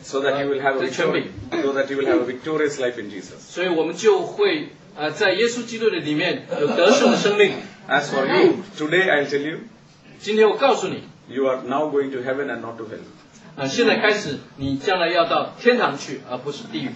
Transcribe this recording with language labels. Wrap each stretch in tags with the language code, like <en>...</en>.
<en>，So that you will have a victory， So that you will have a victorious life in Jesus，</en> <zh>所以我们就会。在耶稣基督的里面有得胜的生命。</zh> <en>As for you, today I'll tell you.</en> <zh>今天我告诉你。</zh> <en>You are now going to heaven and not to hell.</en> <zh>现在开始，你将来要到天堂去，而不是地狱。</zh>